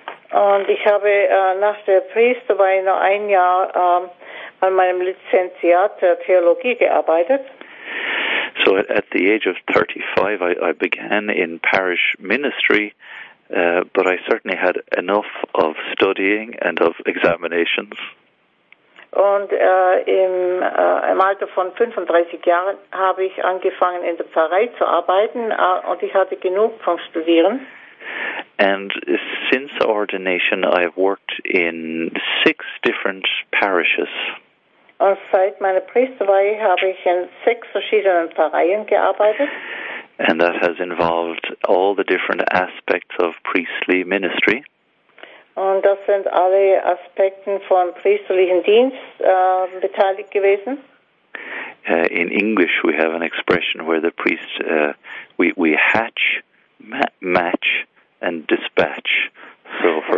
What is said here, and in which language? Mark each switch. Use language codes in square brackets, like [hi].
[de] Und ich habe nach der Priesterweihe noch ein Jahr an meinem Lizenziat der Theologie gearbeitet. [en] So at the age of 35, I began in parish ministry. But I certainly had enough of studying and of examinations. [de] Und im Alter von 35 Jahren habe ich angefangen in der Pfarrei zu arbeiten und ich hatte genug vom Studieren. [en] And since ordination I've worked in six different parishes. [de] Und seit meiner Priesterweihe habe ich in sechs verschiedenen Pfarreien gearbeitet. [en] And that has involved all the different aspects of priestly ministry. [de] Und das sind alle Aspekten von priesterlichen Dienst beteiligt gewesen. [en] In English we have an expression where the priest, we hatch, match and dispatch. So